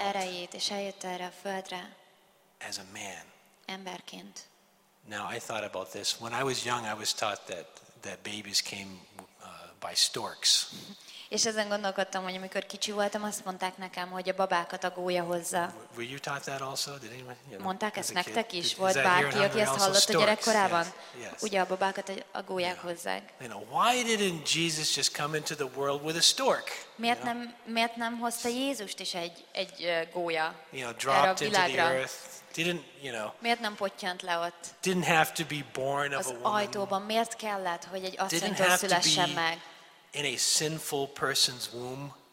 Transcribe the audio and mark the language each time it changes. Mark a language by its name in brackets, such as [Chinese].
[Hungarian] erejét, és eljött erre a földre [English] as a man. [Hungarian] Emberként. [English] Now I thought about this. When I was young, I was taught that babies came by storks. [Hungarian] És ezen gondolkodtam, hogy amikor kicsi voltam, azt mondták nekem, hogy a babákat a gólya hozza. [English] Were you taught that also? Did anyone, you know, [Hungarian] mondták ezt nektek is? Volt bárki, aki ezt hallott [English] storks [Hungarian] a gyerekkorában? [English] Yes. [Hungarian] Ugye a babákat a gólyák hozzák. [English] You know, why didn't Jesus just come into the world with a stork? [Hungarian] Miért nem hozta Jézust is egy gólya? [English] You know, dropped into the earth. Didn't, you know, [Hungarian] miért nem pottyant le ott? [English] Didn't have to be born of a woman. [Hungarian] Az ajtóban miért kellett, hogy egy asszonytól szülessen meg? [English] In a sinful person's womb.